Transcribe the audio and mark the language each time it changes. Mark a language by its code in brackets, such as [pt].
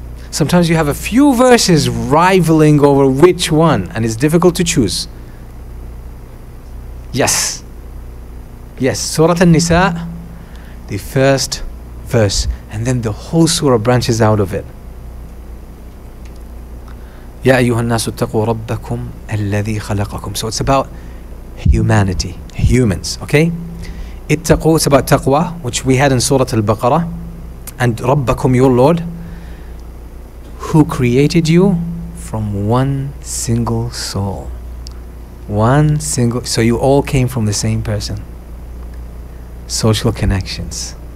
[en] Sometimes you have a few verses rivaling over which one, and it's difficult to choose. Yes. Yes, Surah An-Nisa, the first verse, and then the whole surah branches out of it. [ar] يا أيها الناس اتقوا ربكم الذي خلقكم. [en] So it's about humanity, humans, okay? اتقوا, it's about taqwa, which we had in Surah Al-Baqarah, and ربكم, your Lord, who created you from one single soul. One single, so you all came from the same person. Social connections.